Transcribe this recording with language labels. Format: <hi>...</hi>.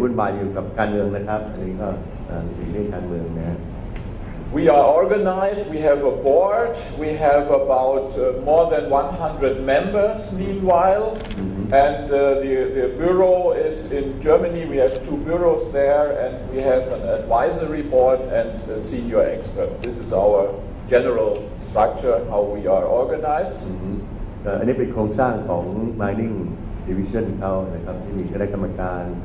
<th>ดังนั้นก็แน่นอนฮะก็พยายามจะปรับปรุงช่วยเหลือในด้านของการสังคมในวงการของทางเมืองได้ทั้งหลายนะครับแล้วก็ยกระดับของสภาพแวดล้อมการทำงานของทางเมืองทั้งหลายก็จะไม่ไปวุ่นวายอยู่กับการเมืองนะครับอันนี้ก็</th> <en>We are organized, we have a board, we have about more than 100 members meanwhile, and the bureau is in Germany, we have two bureaus there, and we have an advisory board and a senior expert. This is our general structure, how we are organized.</en> <th>อันนี้เป็นโครงสร้างของ Mining Division เขานะครับที่มีคณะกรรมการ</th>